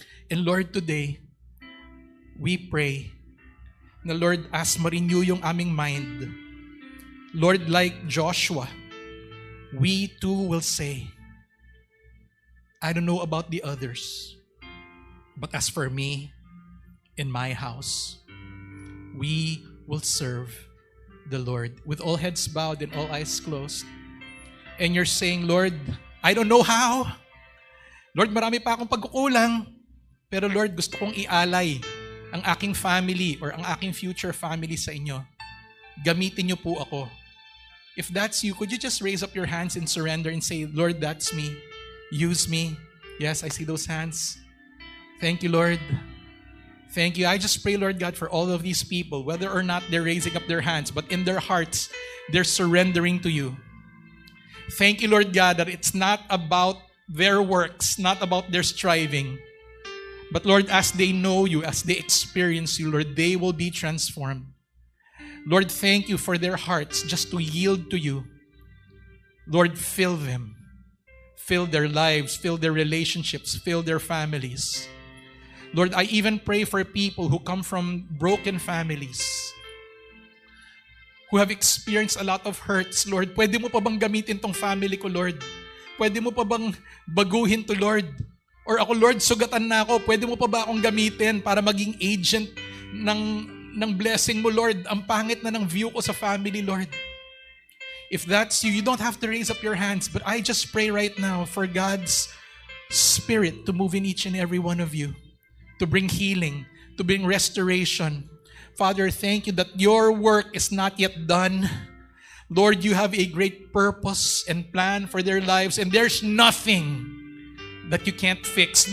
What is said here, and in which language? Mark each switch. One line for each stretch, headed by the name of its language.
English: And Lord, today, we pray na, Lord, as
Filipino: ma-renew yung aming
English: mind, Lord, like Joshua, we too will say, I don't know about the others, but as for me, in my house, we will serve the Lord. With all heads bowed and all eyes closed, and you're saying, Lord, I don't know how.
Filipino: Lord, marami pa akong pagkukulang, pero Lord, gusto kong ialay ang aking family or ang aking future family sa Inyo. Gamitin Niyo po ako.
English: If that's you, could you just raise up your hands in surrender and say, Lord, that's me. Use me. Yes, I see those hands. Thank you, Lord. Thank you. I just pray, Lord God, for all of these people, whether or not they're raising up their hands, but in their hearts, they're surrendering to you. Thank you, Lord God, that it's not about their works, not about their striving. But Lord, as they know you, as they experience you, Lord, they will be transformed. Lord, thank you for their hearts just to yield to you. Lord, fill them. Fill their lives, fill their relationships, fill their families. Lord, I even pray for people who come from broken families, who have experienced a lot of hurts.
Filipino: Lord, pwede mo pa bang gamitin tong family ko, Lord? Pwede mo pa bang baguhin to, Lord? Or ako, Lord, sugatan na ako. Pwede mo pa ba akong gamitin para maging agent ng blessing mo, Lord? Ang pangit na ng view ko sa family, Lord.
English: If that's you, you don't have to raise up your hands, but I just pray right now for God's Spirit to move in each and every one of you, to bring healing, to bring restoration. Father, thank you that your work is not yet done. Lord, you have a great purpose and plan for their lives, and there's nothing that you can't fix.